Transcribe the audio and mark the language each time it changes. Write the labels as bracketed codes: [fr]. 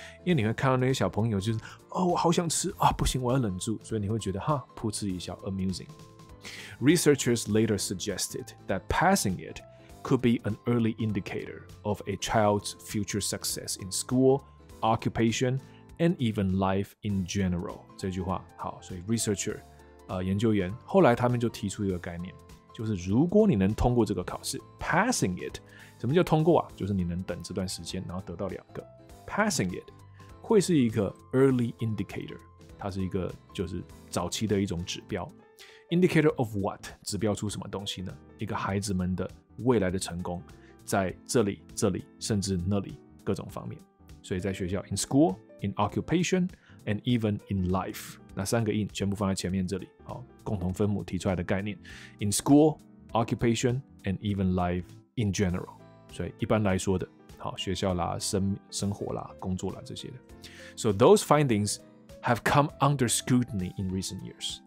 [zh] 因为你会看到那些小朋友就是哦，我好想吃啊，不行，我要忍住，所以你会觉得哈，噗嗤一笑 amusing。 [en] Researchers later suggested that passing it could be an early indicator of a child's future success in school, occupation, and even life in general。 [zh] 这句话好，所以 researcher研究员后来他们就提出一个概念，就是如果你能通过这个考试 [en] passing it， [zh] 什么叫通过啊？就是你能等这段时间然后得到两个， [en] passing it [zh] 会是一个 [en] early indicator， [zh] 它是一个就是早期的一种指标。 [en] indicator of what， [zh] 指标出什么东西呢？一个孩子们的未来的成功在这里这里甚至那里各种方面，所以在学校 [en] in school in occupationAnd even in life， [zh] 那三个 in 全部放在前面这里，好，共同分母提出来的概念 ， [en] in school, occupation, and even life in general。 [zh] 所以一般来说的，好，学校啦、生活啦、工作啦这些的。 [en] So those findings have come under scrutiny in recent years。